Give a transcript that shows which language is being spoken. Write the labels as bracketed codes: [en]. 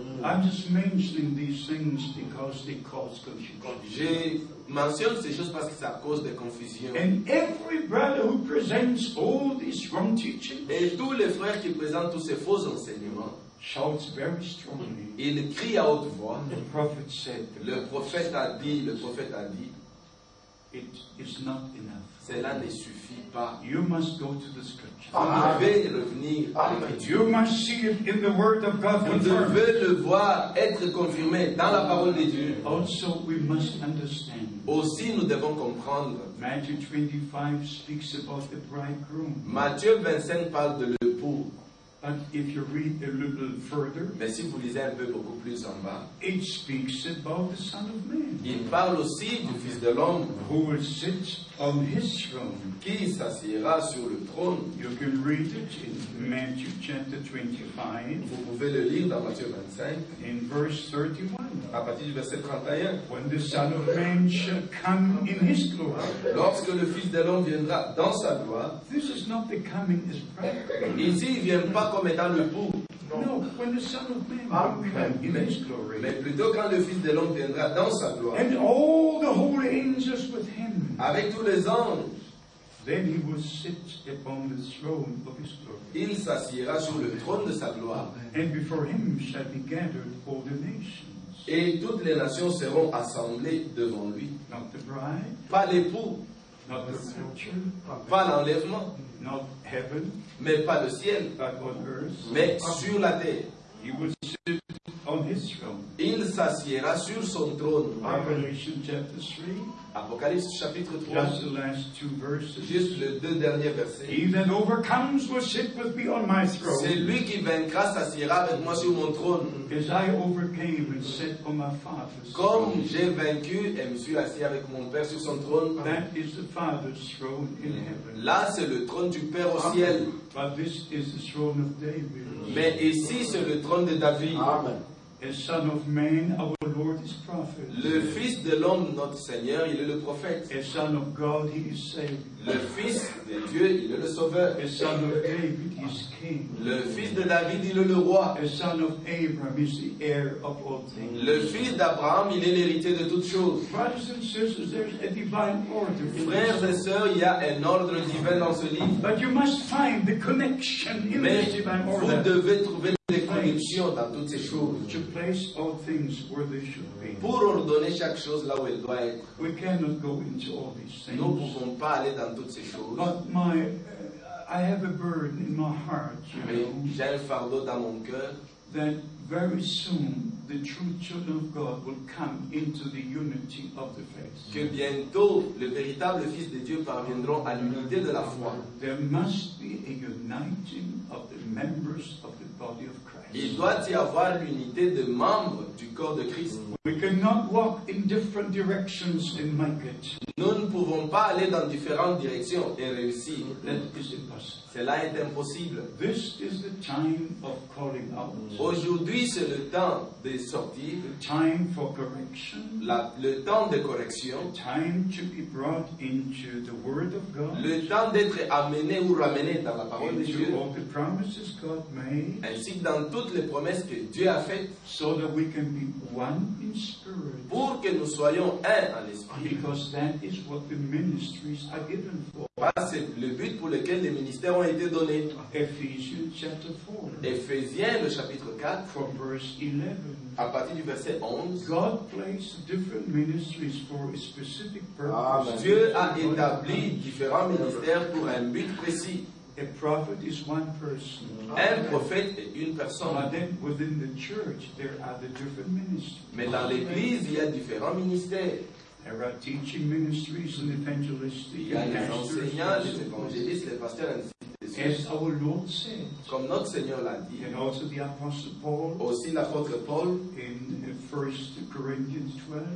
[en] I'm just mentioning these things because they cause confusion. [fr] Je mentionne ces choses parce que ça cause des confusions. [en] And every brother who presents all these wrong teachings. [fr] Et tous les frères qui présentent tous ces faux enseignements. [en] Shouts very strongly. [fr] Il crie à haute voix. [en] The prophet said. [fr] Le prophète a dit. Le prophète a dit. [en] It is not enough. [fr] Cela ne suffit pas. [en] You must go to the scripture. [fr] Vous devez revenir à l'écriture. [en] You must see it in the word of God. [fr] Vous devez le voir être confirmé dans la parole de Dieu. [en] Also, we must understand. [fr] Aussi, nous devons comprendre. [en] Matthew 25 speaks about the bridegroom. [fr] Matthieu 25 parle de l'époux. [en] But if you read a little further, [fr] mais si vous lisez un peu beaucoup plus en bas, [en] it speaks about the Son of Man. [fr] Il parle aussi du Fils de l'homme, [en] who will sit on his throne. [fr] Qui s'assiera sur le trône. [en] You can read it in Matthew chapter 25. [fr] Vous pouvez le lire dans Matthieu 25. [en] In verse 31. [fr] À partir du verset 31. [en] When the Son of Man shall come in his glory. [fr] Lorsque le Fils de l'homme viendra dans sa gloire. [en] This is not the coming as bride. [fr] Ici, il vient pas comme étant le pour. [en] No, when the Son of Man will come in his glory. [fr] Mais plutôt quand le Fils de l'homme viendra dans sa gloire. [en] And all the holy angels with him. [fr] Avec tous les anges. [en] Then he will sit upon the throne of his glory. [fr] Il s'assiera sur le trône de sa gloire. [en] And before him shall be gathered all the nations. [fr] Et toutes les nations seront assemblées devant lui. [en] Not the bride. [fr] Pas l'époux. [en] Not the rapture. [fr] Pas l'enlèvement. [en] Not heaven. [fr] Mais pas le ciel. [en] But on earth. [fr] Mais sur la terre. [en] He will sit on his throne. [fr] Il s'assiera sur son trône. [en] Revelation chapter 3. [fr] Apocalypse chapitre 3. [en] Just the last two verses. [fr] Juste les deux derniers versets. [en] He that overcomes will sit with me on my throne. [fr] C'est lui qui vaincra s'assiera avec moi sur mon trône. [en] As I overcame and sit on my father's throne. [fr] Comme j'ai vaincu et me suis assis avec mon père sur son trône. [en] That is the father's throne in heaven. [fr] Là c'est le trône du père au ciel. [en] But this is the throne of David. [fr] Mais ici c'est le trône de David. [en] Amen. A son of man, our Lord is prophet. [fr] Le Fils de l'homme, notre Seigneur, il est le prophète. [en] A son of God, he is Savior. [fr] Le Fils de Dieu, il est le Sauveur. [en] A son of David, he is King. [fr] Le Fils de David, il est le Roi. [en] A son of Abraham, he is the heir of all things. [fr] Le Fils d'Abraham, il est l'héritier de toutes choses. [en] Brothers and sisters, there is a divine order. [fr] Frères et sœurs, il y a un ordre divin dans ce livre. [en] But you must find the connection in [fr] mais [en] the divine order. [fr] Vous devez trouver les connexions dans toutes ces choses. [en] To place all things where they should be. [fr] Pour ordonner chaque chose là où elle doit être. [en] We cannot go into all these things. [fr] Nous ne pouvons pas aller dans toutes ces choses. [en] But my, I have a burden in my heart, you [fr] mais [en] know, [fr] j'ai un fardeau dans mon cœur. [en] That very soon the true children of God will come into the unity of the faith. [fr] Que bientôt le véritable fils de Dieu parviendront à l'unité de la foi. [en] There must be a uniting of the members of the body of Christ. [fr] Il doit y avoir l'unité de membres du corps de Christ. [en] We cannot walk in different directions and make it. [fr] Nous ne pouvons pas aller dans différentes directions et réussir. [en] That is impossible. [fr] Cela est impossible. [en] This is the time of calling out. [fr] Aujourd'hui, c'est le temps de sortir. [en] The time for correction. [fr] Le temps de correction. [en] The time to be brought into the Word of God. [fr] Le temps d'être amené ou ramené dans la parole de Dieu. [en] Into all the promises God made. [fr] Ainsi que dans toutes les promesses que Dieu a faites. [en] So that we can be one in spirit. [fr] Pour que nous soyons un en esprit. [en] Because that is what the ministries are given for. [fr] C'est le but pour lequel les ministères ont été donnés. Ephésiens, chapitre 4. Ephésiens, le chapitre 4. [en] From verse 11. [fr] À partir du verset 11. [en] God placed different ministries for a specific purpose. [fr] Dieu a établi différents ministères pour un but précis. [en] A prophet is one person. [fr] Un prophète est une personne. [en] But then within the church, there are the different ministries. [fr] Mais dans l'église, il y a différents ministères. [en] There are teaching ministries and evangelists. [fr] Il y a les enseignants, les évangélistes, les pasteurs, ainsi de suite. [en] As our Lord said. [fr] Comme notre Seigneur l'a dit. [en] And also the Apostle Paul. [fr] Aussi l'apôtre Paul. [en] In 1 Corinthians 12.